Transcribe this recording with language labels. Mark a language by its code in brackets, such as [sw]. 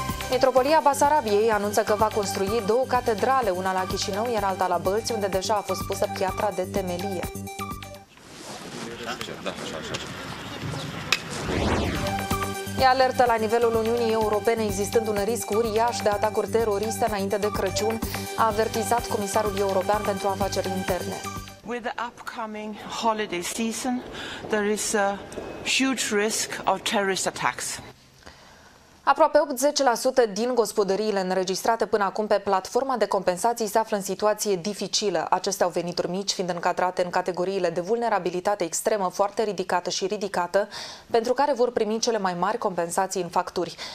[ro] Metropolia Basarabiei anunță că va construi două catedrale, una la Chișinău, iar alta la Bălți, unde deja a fost pusă piatra de temelie. E alertă la nivelul Uniunii Europene, existând un risc uriaș de atacuri teroriste înainte de Crăciun, a avertizat Comisarul European pentru Afaceri Interne. [en] With the upcoming holiday season, there is a huge risk of terrorist attacks. [ro] Aproape 80% din gospodăriile înregistrate până acum pe platforma de compensații se află în situație dificilă. Acestea au venituri mici, fiind încadrate în categoriile de vulnerabilitate extremă, foarte ridicată și ridicată, pentru care vor primi cele mai mari compensații în facturi.